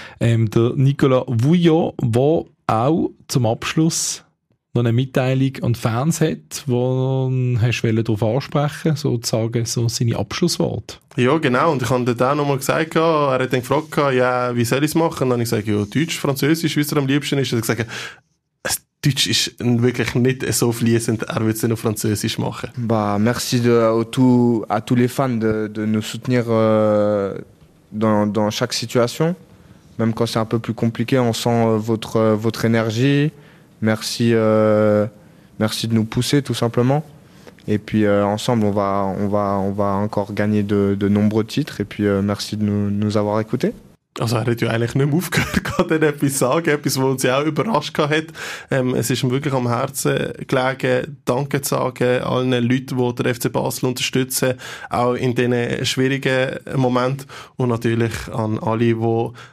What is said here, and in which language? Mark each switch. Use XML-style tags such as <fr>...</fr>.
<de>Der Nicolas Vuillot, der auch zum Abschluss noch eine Mitteilung an die Fans hat, die wollte darauf ansprechen, sozusagen so seine Abschlussworte. Ja, genau. Und ich habe dann auch nochmal gesagt, er hat dann gefragt, ja, wie soll ich es machen? Und dann habe ich gesagt, ja, Deutsch, Französisch, wie es am liebsten ist. Und er hat gesagt, Deutsch ist wirklich nicht so fließend, er würde es dann auf Französisch machen.</de> <fr>Bah, merci à tous les fans de nous soutenir dans chaque situation. Même quand c'est un peu plus compliqué, on sent votre énergie. Merci de nous pousser tout simplement. Et puis ensemble, on va encore gagner de nombreux titres. Et puis merci de nous avoir écoutés.</fr> <de>Also er hat ja eigentlich nicht mehr aufgehört, gerade etwas sagen, etwas, was uns ja auch überrascht hat. Es ist ihm wirklich am Herzen gelegen, Danke zu sagen allen Leuten, die der FC Basel unterstützen, auch in diesen schwierigen Momenten und natürlich an alle, die</de>